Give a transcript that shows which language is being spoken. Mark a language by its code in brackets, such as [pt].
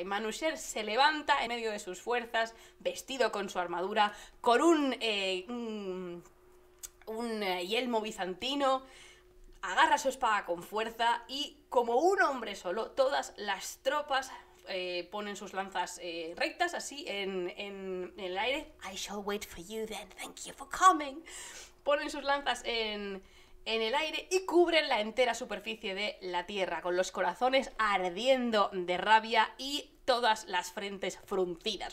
[es] Y Manusher se levanta en medio de sus fuerzas, vestido con su armadura, con un yelmo bizantino, agarra su espada con fuerza y, como un hombre solo, todas las tropas ponen sus lanzas rectas así en el aire. [en] I shall wait for you then, thank you for coming. [es] Ponen sus lanzas en el aire y cubren la entera superficie de la tierra, con los corazones ardiendo de rabia y todas las frentes fruncidas.